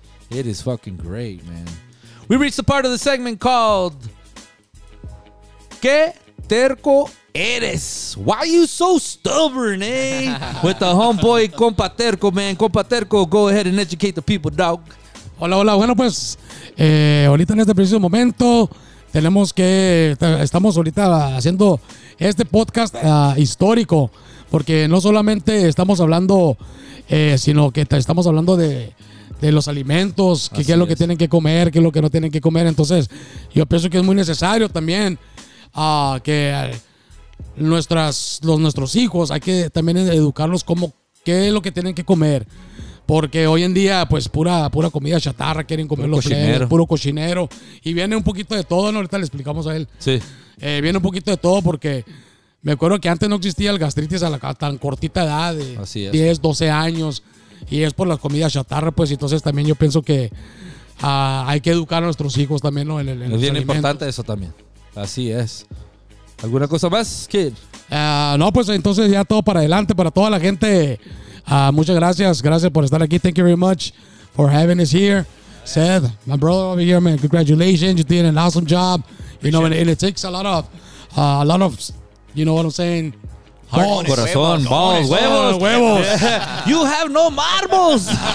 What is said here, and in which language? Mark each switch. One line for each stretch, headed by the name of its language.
English: It is fucking great, man. We reached the part of the segment called
Spanish: ¿Qué terco eres?
English: Why are you so stubborn, eh? With the homeboy, Compa Terco, man. Compa Terco, go ahead and educate the people, dog.
Spanish: Hola, hola. Bueno, pues, ahorita en este preciso momento, estamos ahorita haciendo este podcast histórico, porque no solamente estamos hablando, sino que estamos hablando de los alimentos, qué es lo que tienen que comer, qué es lo que no tienen que comer. Entonces, yo pienso que es muy necesario también que nuestros hijos hay que también educarlos como qué es lo que tienen que comer, porque hoy en día pues pura comida chatarra quieren comer, puro cocinero, y viene un poquito de todo, ¿no? Ahorita le explicamos a él. Sí. Viene un poquito de todo porque me acuerdo que antes no existía el gastritis a la tan cortita edad de 10, 12 años. y es por la comida chatarra, pues. Entonces también yo pienso que hay que educar a nuestros hijos también, ¿no? En es bien importante eso también. Así es. ¿Alguna cosa más, Kid? No, pues entonces ya todo para adelante, para toda la gente. Muchas gracias. Gracias por estar aquí.
English: Thank you very much for having us here. Seth, my brother over here, man, congratulations. You're doing an awesome job. You know, and it takes a lot of, you know what I'm saying? Balls. Corazón, balls, huevos.
Spanish: Huevos.
English: You have no marbles.